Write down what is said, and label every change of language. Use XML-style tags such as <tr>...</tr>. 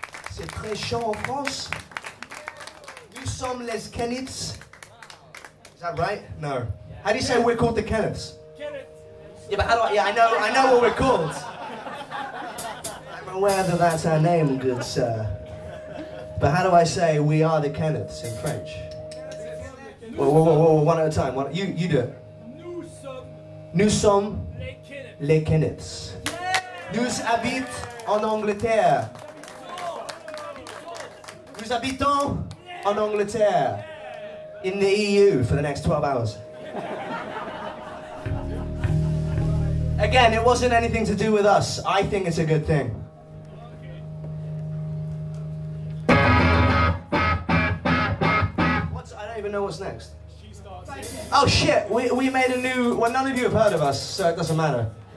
<fr>C'est très chaud en France. Nous sommes les Kennets.</fr> <en>Is that right? No. How do you say we're called the Kennets? Kennets. Yeah, but how do I know what we're called. I'm aware that that's our name, good sir. But how do I say we are the Kennets in French? Whoa, one at a time. You do it.</en> <fr>Nous sommes les Kennets. Nous habitons en Angleterre. Nous habitons en Angleterre.</fr> <en>In the EU for the next 12 hours. Again, it wasn't anything to do with us. I think it's a good thing. I don't even know what's next. Oh shit, we made a new, well none of you have heard of us, so it doesn't matter.</en>